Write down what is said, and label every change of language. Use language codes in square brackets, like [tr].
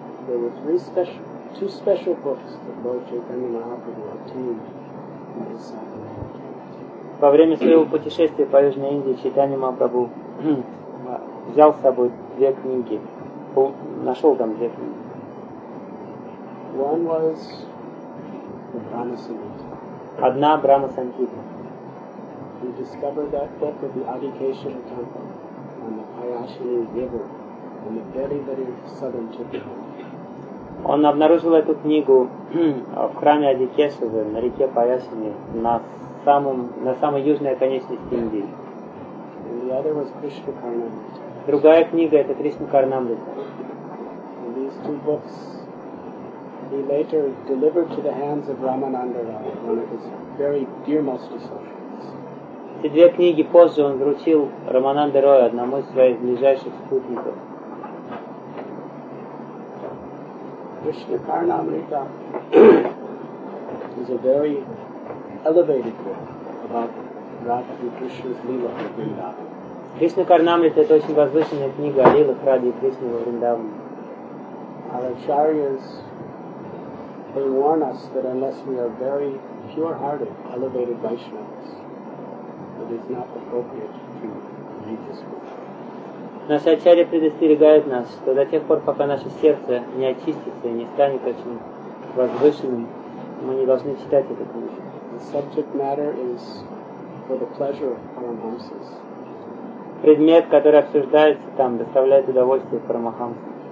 [en] There were two special books that Lord Chaitanya Mahaprabhu obtained in his sadhana. [ru] Во время своего путешествия по Южной Индии Чайтанья Махапрабху взял с собой две книги. Нашел там две книги. [en] One was the Brahma Sanhita. [ru] Одна Брахма Санхита. [en] He discovered that book of the Adi Keshava Temple on the Payashini River in the very, very southern Chittagong. [ru] Он обнаружил эту книгу в храме Ади Кешавы на реке Паясини на самой южной оконечности Индии. [en] And the other was Krishna Karnamrita. [ru] Другая книга — это Кришна Карнамрита. [en] These two books he later delivered to the hands of Ramananda Rao, one of his very dearmost associates. [ru] Эти две книги позже он вручил Рамананде Рою, одному из своих ближайших спутников. [en] Кришна Карнамрита is a very elevated book about Radha and Krishna's Lila in Vrindavan. [ru] Кришна Карнамрита — это очень возвышенная книга о лилах Радхи и Кришны во Вриндаване. [en] Our acharyas, they warn us that unless we are very pure-hearted, elevated Vaishnavas, it is not appropriate to read this book. [ru] Наши ачарьи предостерегают нас, что до тех пор, пока наше сердце не очистится и не станет очень возвышенным, мы не должны читать эту книгу. [en] The subject matter is for the pleasure of Paramahamsas. [ru] Предмет, который обсуждается там, доставляет удовольствие Парамахамсам.